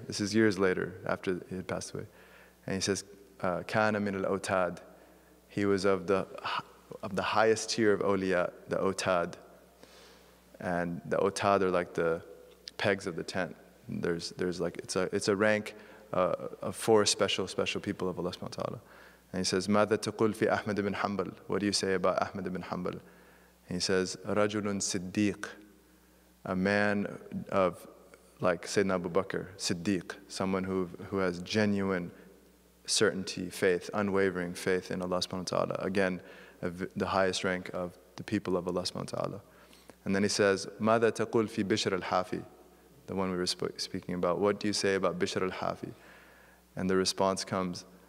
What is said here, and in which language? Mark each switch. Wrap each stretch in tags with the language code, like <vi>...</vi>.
<en>This is years later, after he had passed away. And he says,</en> <ar>Kana min al Otad.</ar> <en>He was of the highest tier of awliya, the Otad. And the Otad are like the pegs of the tent. There's like, it's a rank of four special people of Allah subhanahu wa ta'ala. And he says,</en> <ar>ماذا تقول في أحمد بن حنبل?</ar> <en>What do you say about Ahmad ibn Hanbal? And he says,</en> <ar>رجل صديق.</ar> <en>A man of, like Sayyidina Abu Bakr, صديق. Someone who has genuine certainty, faith, unwavering faith in Allah subhanahu wa ta'ala. Again, the highest rank of the people of Allah subhanahu wa ta'ala. And then he says,</en> <ar>ماذا تقول في بشر الحافي?</ar> <en>The one we were speaking about. What do you say about Bishr al-Hafi? And the response comes,</en>